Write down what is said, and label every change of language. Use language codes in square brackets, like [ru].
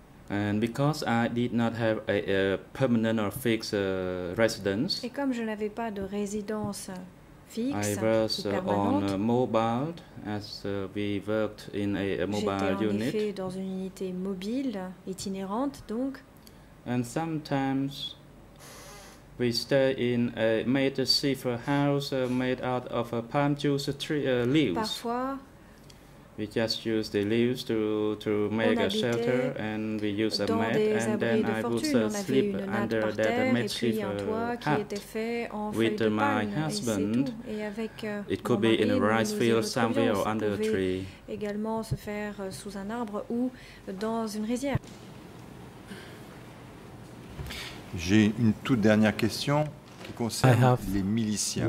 [en] And because I did not have a permanent or fixed residence, [fr] et comme je n'avais pas de résidence fixe, [en] I was on a mobile, as we worked in a mobile [fr] j'étais [en] unit. [fr] J'étais en effet dans une unité mobile, itinérante, donc. [en] And sometimes we stay in a makeshift house made out of palm juice tree leaves. [fr] Parfois, [en] We just use the leaves to make a shelter, and we use a mat, and then I would sleep under that makeshift hut with my husband. It could be in a rice field somewhere or under a tree. [fr] Également se faire sous un arbre ou dans une rizière. J'ai une toute dernière question qui concerne les miliciens.